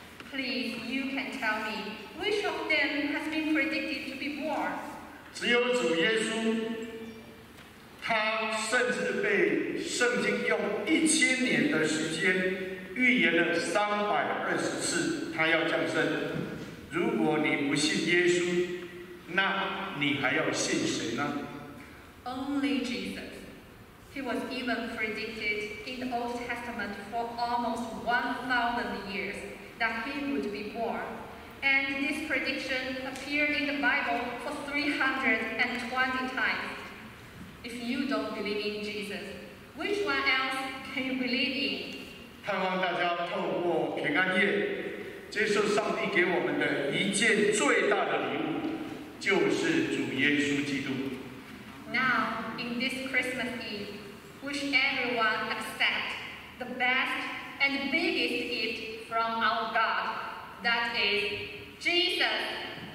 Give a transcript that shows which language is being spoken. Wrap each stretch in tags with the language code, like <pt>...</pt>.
<en>Please, you can tell me, which of them has been predicted to be born?</en> <zh>只有主耶稣。他甚至被圣经用1000年的时间预言了320次，他要降生。如果你不信耶稣，那你还要信谁呢</zh> <en>？Only Jesus. He was even predicted in the Old Testament for almost 1,000 years that he would be born, and this prediction appeared in the Bible for 320 times. If you don't believe in Jesus, which one else can you believe in?</en> <zh>盼望大家透过平安夜接受上帝给我们的一件最大的礼物，就是主耶稣基督。</zh> <en>Now, in this Christmas Eve, wish everyone accept the best and biggest gift from our God, that is Jesus.</en>